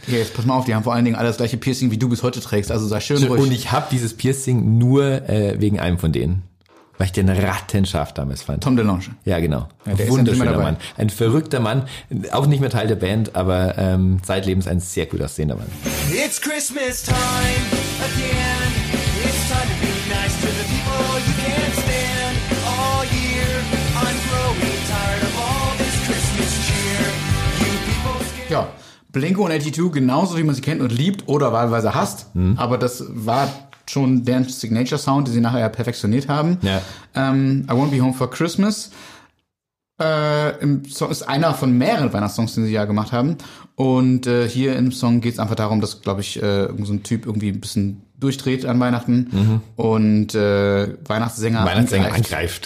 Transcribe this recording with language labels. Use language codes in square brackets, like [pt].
[de] Okay, jetzt pass mal auf, die haben vor allen Dingen alle das gleiche Piercing, wie du bis heute trägst. Also sei schön ruhig. Und ich habe dieses Piercing nur wegen einem von denen. Weil ich den rattenscharf damals fand. Tom DeLonge. Ja, genau. Ja, ein wunderschöner Mann. Ein verrückter Mann. Auch nicht mehr Teil der Band, aber zeitlebens ein sehr gut aussehender Mann. [en] It's Christmas time again. It's time to be nice to the people you can't stand. All year I'm growing tired of all this Christmas cheer. You people scared. [de] Ja. Blink 182, genauso wie man sie kennt und liebt oder wahlweise hasst. Hm. Aber das war schon deren Signature-Sound, den sie nachher perfektioniert haben. [en] Yeah. I Won't Be Home for Christmas. [de] Im Song ist einer von mehreren Weihnachtssongs, den sie ja gemacht haben. Und hier im Song geht es einfach darum, dass, glaube ich, so ein Typ irgendwie ein bisschen durchdreht an Weihnachten und Weihnachtssänger angreift,